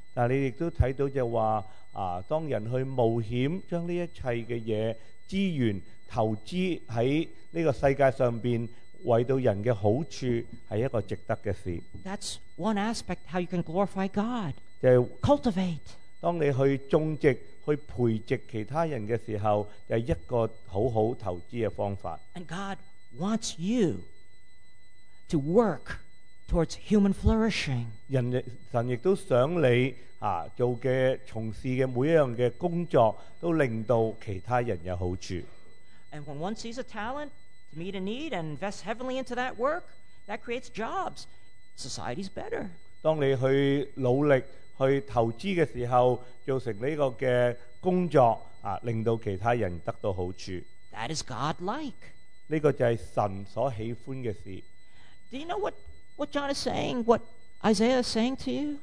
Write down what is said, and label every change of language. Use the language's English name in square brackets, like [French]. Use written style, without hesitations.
[Cantonese] 但你亦都睇到就话当人去冒险将呢一切嘅嘢资源投资喺呢个世界上边，为到人嘅好处系一个值得嘅事。 [English] That's one aspect how you can glorify God. [Cantonese] 就系 [English] cultivate. [Cantonese] 当你去种植。去培植其他人嘅时候，就一个好好投资嘅方法。 [English] And God wants you to work towards human flourishing. [Cantonese] 神亦都想你做嘅从事嘅每一样嘅工作，都令到其他人有好处。 [English] And when one sees a talent to meet a need and invest heavily into that work, that creates jobs. Society's better. [Cantonese] 当你去努力。去投資嘅時候，造成呢個嘅工作令到其他人得到好處。 [English] That is God-like. [Cantonese] 呢個就係神所喜歡嘅事。 [English] Do you know what John is saying? What Isaiah is saying to you?